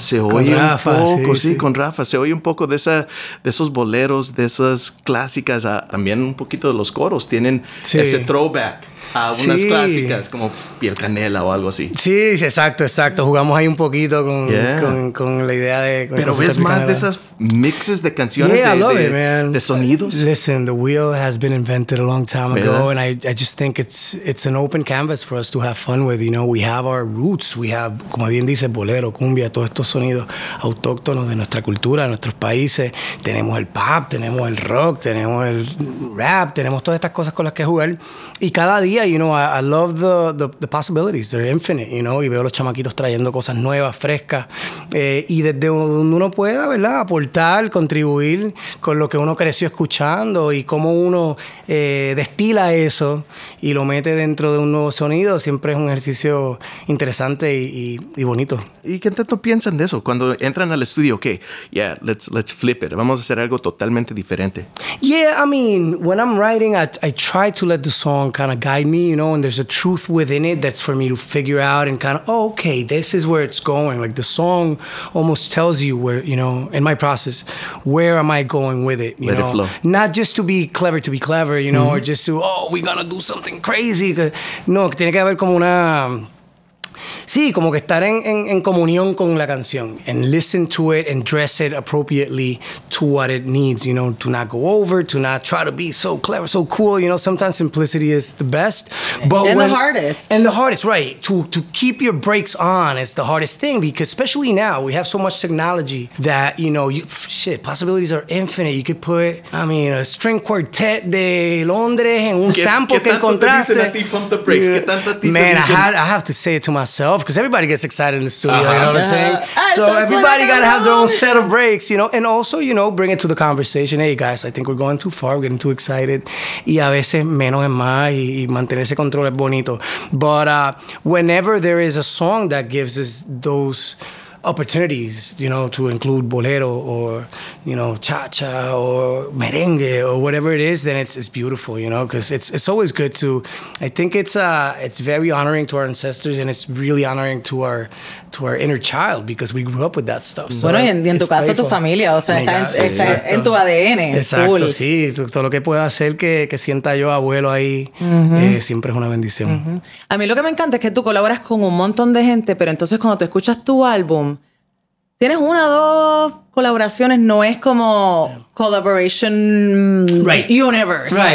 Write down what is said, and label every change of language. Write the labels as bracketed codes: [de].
[es] se oye con Rafa, un poco, sí, con Rafa, se oye un poco de esa, de esos boleros, de esas clásicas, también un poquito de los coros, tienen ese throwback a unas clásicas como Piel Canela o algo así. Sí, exacto, exacto. Jugamos ahí un poquito con la idea de... Pero ves más de esas mixes de canciones de sonidos. [en] Listen, the wheel has been invented a long time ago, and I just think it's an open canvas for us to have fun with. You know, we have our roots. We have, [es] como bien dice, bolero, cumbia, todos estos sonidos autóctonos de nuestra cultura, de nuestros países. Tenemos el pop, tenemos el rock, tenemos el rap, tenemos todas estas cosas con las que jugar. Y cada día, [en] you know, I love the possibilities, they're infinite, you know, [es] y veo los chamaquitos trayendo cosas nuevas, frescas, y desde donde uno pueda, ¿verdad?, aportar, contribuir con lo que uno creció escuchando y cómo uno destila eso y lo mete dentro de un nuevo sonido, siempre es un ejercicio interesante y bonito. ¿Y qué tanto piensan de eso cuando entran al estudio? [en] Okay, yeah, let's flip it, [es] vamos a hacer algo totalmente diferente. [en] Yeah, I mean, when I'm writing, I try to let the song kind of guide me, you know, and there's a truth within it that's for me to figure out and kind of, oh, okay, this is where it's going. Like the song almost tells you where, you know, in my process, where am I going with it, you let know? It flow. Not just to be clever, you know, or just to, oh, we're gonna do something crazy. [es] No, tiene que haber como una... Sí, como que estar en comunión con la canción. [en] And listen to it and dress it appropriately to what it needs, you know, to not go over, to not try to be so clever, so cool. You know, sometimes simplicity is the best. But and the hardest. And the hardest, right. To keep your brakes on is the hardest thing, because especially now, we have so much technology that, you know, possibilities are infinite. You could put, a string quartet [es] de Londres en un sample que encontraste. ¿Qué tanto te dicen a ti, [en] pump the brakes? [es] ¿Qué tanto te dicen? [en] Man, I have to say it to myself, because everybody gets excited in the studio, you know what I'm saying? So everybody got to have their own set of breaks, you know? And also, you know, bring it to the conversation. Hey, guys, I think we're going too far. We're getting too excited. [es] Y a veces menos es más, y mantener ese control es bonito. [en] But whenever there is a song that gives us those opportunities, you know, to include bolero or, you know, cha-cha or merengue or whatever it is, then it's beautiful, you know, because it's always good to, I think it's very honoring to our ancestors, and it's really honoring to our inner child, because we grew up with that stuff. [es] So, bueno, y en tu caso, tu familia, o sea, está en tu ADN. Exacto, cool. Sí, todo lo que pueda hacer que sienta yo abuelo ahí, siempre es una bendición. A mí lo que me encanta es que tú colaboras con un montón de gente, pero entonces cuando tú escuchas tu álbum, tienes una o dos colaboraciones, no es como collaboration universe.